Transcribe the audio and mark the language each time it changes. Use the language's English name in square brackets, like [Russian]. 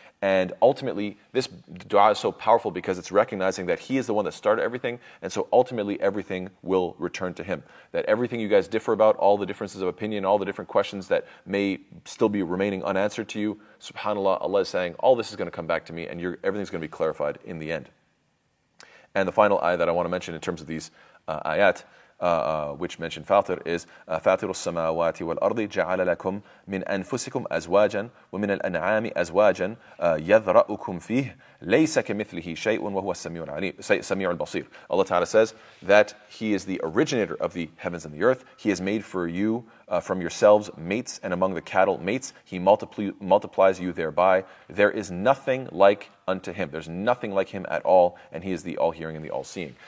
[English] And ultimately, this dua is so powerful because it's recognizing that he is the one that started everything, and so ultimately everything will return to him. That everything you guys differ about, all the differences of opinion, all the different questions that may still be remaining unanswered to you, subhanAllah, Allah is saying, all this is going to come back to me, and everything's going to be clarified in the end. And the final ayah that I want to mention in terms of these ayat, which mentioned Faatir, is [Arabic] فاطر السماوات والأرض جعل لكم من أنفسكم أزواجا ومن الأنعام أزواجا يذرأكم فيه ليس كمثله شيء وهو السميع البصير. [English] Allah Ta'ala says that he is the originator of the heavens and the earth. He has made for you from yourselves mates, and among the cattle mates. He multiplies you thereby. There is nothing like unto him. There's nothing like him at all, and he is the all-hearing and the all-seeing.